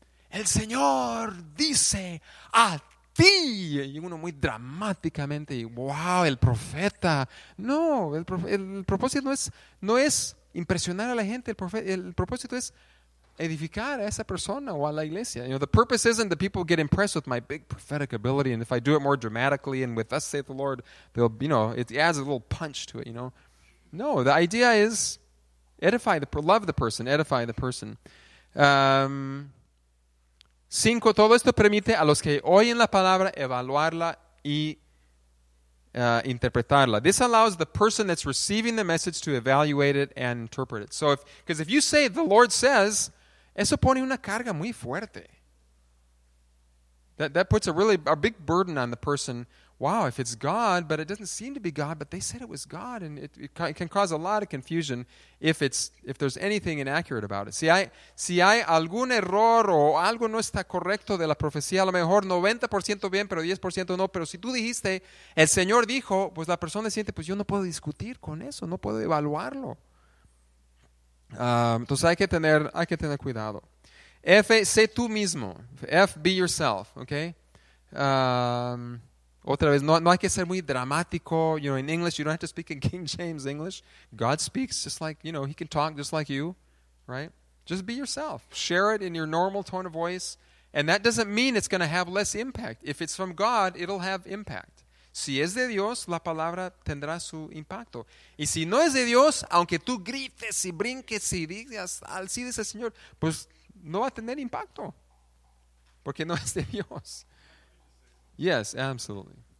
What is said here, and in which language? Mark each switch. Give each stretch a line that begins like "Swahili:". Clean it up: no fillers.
Spanish: El Señor dice a ti. Y uno muy dramáticamente, wow, el profeta. No, el propósito no es impresionar a la gente, el propósito es edificar a esa persona o a la iglesia.
English: You know, the purpose isn't that people get impressed with my big prophetic ability, and if I do it more dramatically and with thus saith the Lord, they'll, you know, it adds a little punch to it, you know. No, the idea is edify the love the person, edify the person.
Spanish: 5, todo esto permite a los que oyen la palabra evaluarla y interpretarla.
English: This allows the person that's receiving the message to evaluate it and interpret it. So, because if you say the Lord says,
Spanish: eso pone una carga muy fuerte.
English: That puts a big burden on the person. Wow, if it's God, but it doesn't seem to be God, but they said it was God, and it can cause a lot of confusion if there's anything inaccurate about it.
Spanish: Si hay algún error o algo no está correcto de la profecía, a lo mejor 90% bien, pero 10% no. Pero si tú dijiste, el Señor dijo, pues la persona siente, pues yo no puedo discutir con eso, no puedo evaluarlo. Entonces hay que tener cuidado. F, sé tú mismo.
English: F, be yourself, okay?
Spanish: Otra vez, no hay que ser muy dramático.
English: You know, in English, you don't have to speak in King James English. God speaks just like, you know, he can talk just like you, right? Just be yourself. Share it in your normal tone of voice. And that doesn't mean it's going to have less impact. If it's from God, it'll have impact.
Spanish: Si es de Dios, la palabra tendrá su impacto. Y si no es de Dios, aunque tú grites y brinques y digas, así dice el Señor, pues no va a tener impacto. Porque no es de Dios.
English: Yes, absolutely.